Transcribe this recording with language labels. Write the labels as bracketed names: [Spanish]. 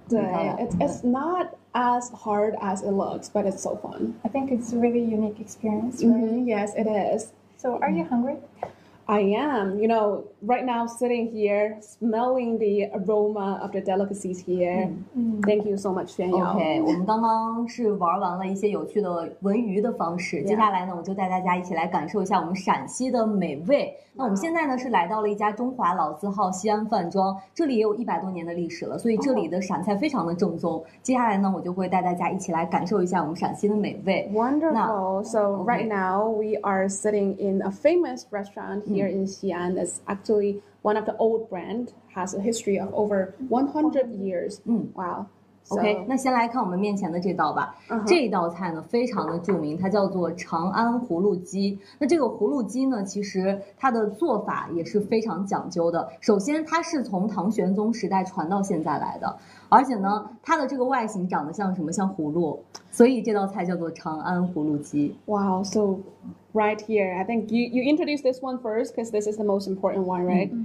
[English] 对 it's not as hard as it looks, but it's so fun. I think it's a really unique experience, right? Mm-hmm, yes, it is. So are you hungry? I am, you know, right now sitting here, smelling the aroma of the delicacies here. Thank you so much, Xuan Yao. [Chinese] Okay, 我们刚刚是玩完了一些有趣的文娱的方式。接下来呢，我就带大家一起来感受一下我们陕西的美味。那我们现在呢是来到了一家中华老字号西安饭庄，这里也有100多年的历史了，所以这里的陕菜非常的正宗。接下来呢，我就会带大家一起来感受一下我们陕西的美味。 [English] Wonderful. So right now we are sitting in a famous restaurant here in Xi'an. It's actually one of the old brand, has a history of over 100 years. Wow. [Chinese] OK， 那先来看我们面前的这道吧。 Uh-huh. 这道菜呢非常的著名，它叫做长安葫芦鸡。那这个葫芦鸡呢，其实它的做法也是非常讲究的。首先它是从唐玄宗时代传到现在来的，而且呢它的这个外形长得像什么，像葫芦，所以这道菜叫做长安葫芦鸡。 [English] Wow, so right here I think you introduced this one first because this is the most important one, right?